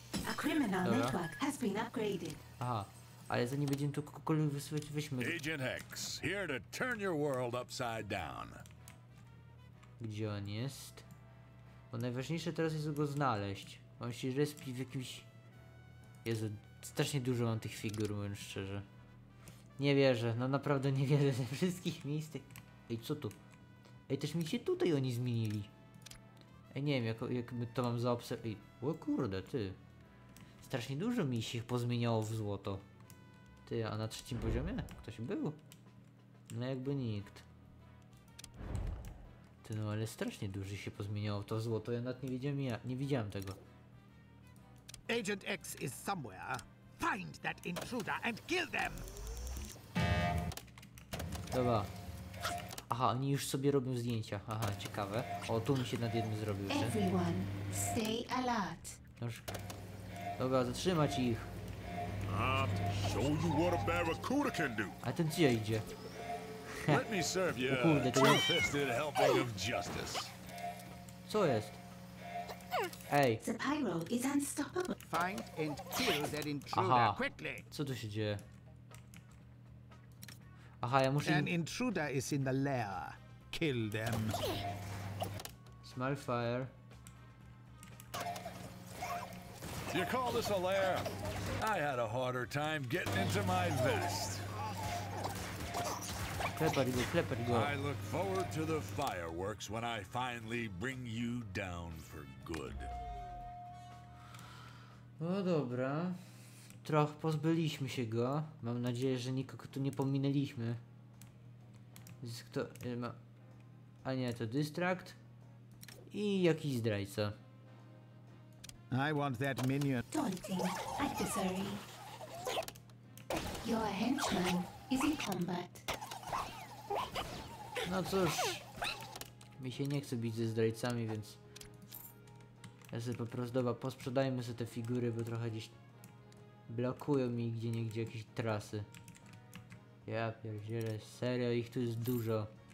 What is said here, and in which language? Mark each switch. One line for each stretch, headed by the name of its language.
English: A criminal network has been upgraded.
Polish: Aha. Ale zanim będziemy tu kogokolwiek wysłać, weźmy.
English: Agent Hex, here to turn your world upside down.
Polish: Gdzie on jest? Bo najważniejsze teraz jest go znaleźć. On się respi w jakimś. Jezu, strasznie dużo mam tych figur, mówiąc szczerze. Nie wierzę, no naprawdę nie wierzę ze wszystkich miejsc. Ej, co tu? Ej, też mi się tutaj oni zmienili. Ej, nie wiem, jak to mam zaobserwować. Ej, o kurde, ty. Strasznie dużo mi się pozmieniało w złoto. Ty, a na trzecim poziomie? Ktoś był? No jakby nikt. Ty, no ale strasznie dużo się pozmieniało to złoto, ja nawet nie widziałem, tego.
English: Agent X is somewhere. Find that intruder and kill them!
Polish: Dobra. Aha, oni już sobie robią zdjęcia. Aha, ciekawe. O, tu mi się nad jednym zrobił.
English: Everyone, stay alert.
Polish: Dobra, zatrzymać ich.
English: Show you what a barracuda can do.
Polish: A ten gdzie idzie?
English: Let me serve you. Kurde, ty twisted helping of justice.
Polish: Co jest? Ej.
English: The pyro is unstoppable. Find and kill that intruder quickly.
Polish: Co tu się dzieje? Aha, ja muszę.
English: An intruder is in the lair. Kill them. Smell fire. You call this a lair? I had a harder time getting into my vest.
Polish: Klepper go.
English: I look forward to the fireworks when I finally bring you down for good.
Polish: No dobra. Trochę pozbyliśmy się go. Mam nadzieję, że nikogo tu nie pominęliśmy. Jest kto? A nie, to Distract. I jakiś zdrajca.
English: I want that minion. Taunting, adversary. Your henchman is in combat.
Polish: No cóż. Mi się nie chce bić ze zdrajcami, więc. Ja sobie po prostu. Dobra, posprzedajmy sobie te figury, bo trochę gdzieś. Blokują mi gdzieniegdzie jakieś trasy. Ja pierdzielę, serio, ich tu jest dużo.